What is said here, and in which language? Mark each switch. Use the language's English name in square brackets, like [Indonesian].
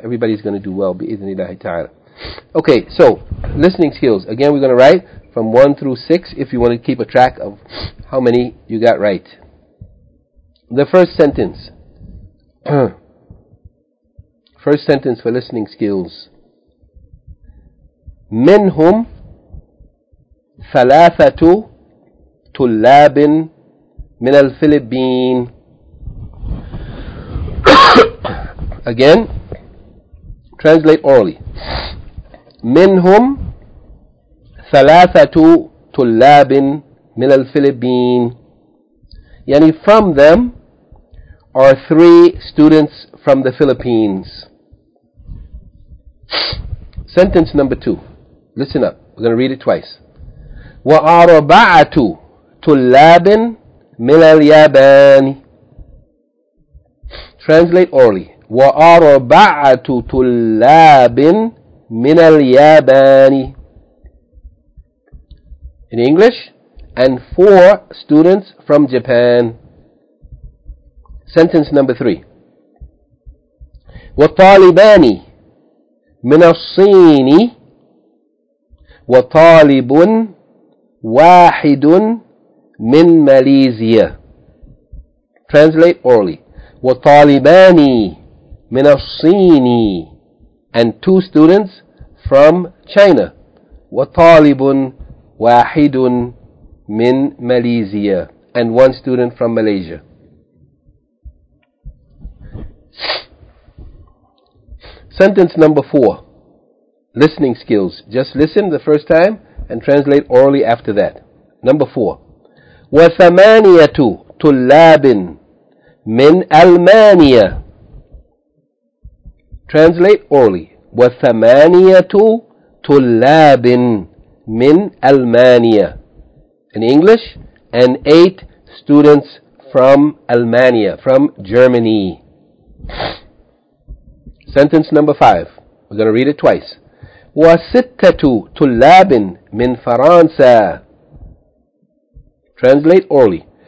[English] Everybody's going to do well, [Arabic] bi-idhnillahi ta'ala. [English] Okay, so, listening skills. Again, we're going to write from 1 through 6, if you want to keep a track of how many you got right. The first sentence. First sentence for listening skills. [Arabic] Minhum ثلاثة طلاب من الفلبين. [English] Again, translate orally. [Arabic] منهم ثلاثة طلاب من الفلبين. [English] يعني from them are 3 students from the Philippines. Sentence number 2. Listen up. We're going to read it twice. [Arabic] وأربعة طلاب من اليابان. [English] Translate orally. [Arabic] وأربعة طلاب من اليابان. [English] In English, and 4 students from Japan. Sentence number 3. [Arabic] وطالبان من الصين. وطالب واحد من ماليزيا. [English] Translate orally. [Arabic] وطالبان من الصين [English] and two students from China. [Arabic] وطالب واحد من ماليزيا [English] and one student from Malaysia. Sentence number four. Listening skills. Just listen the first time and translate orally after that. Number four. [Arabic] وثمانية طلاب من ألمانيا. [English] Translate orally. [Arabic] وثمانية طلاب من ألمانيا. [English] In English, and eight students from Almania, from Germany. Sentence number five. We're going to read it twice. [Arabic] وستة طلاب من فرنسا. [English] Translate orally.